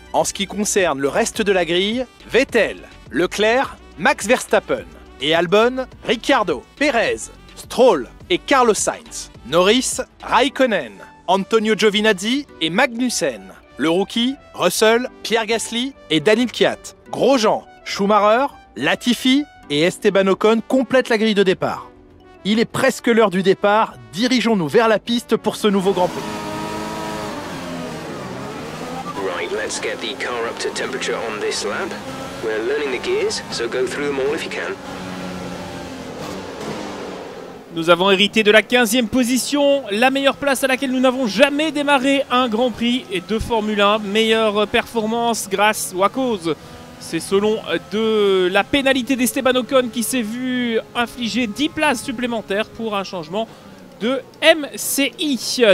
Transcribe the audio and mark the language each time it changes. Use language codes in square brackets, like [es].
[fr] En ce qui concerne le reste de la grille, Vettel, Leclerc, Max Verstappen et Albon, Ricciardo, Perez, Stroll et Carlos Sainz, Norris, Raikkonen, Antonio Giovinazzi et Magnussen, le rookie, Russell, Pierre Gasly et Daniil Kvyat, Grosjean, Schumacher, Latifi et Esteban Ocon complètent la grille de départ. Il est presque l'heure du départ, dirigeons-nous vers la piste pour ce nouveau Grand Prix. [en] Let's get the car up to temperature on this lap. We're learning the gears, so go through them all if you can. [fr] Nous avons hérité de la 15e position, la meilleure place à laquelle nous n'avons jamais démarré un Grand Prix et de Formule 1. Meilleure performance grâce ou à cause. C'est selon de la pénalité d'Esteban Ocon qui s'est vu infliger 10 places supplémentaires pour un changement de MCI.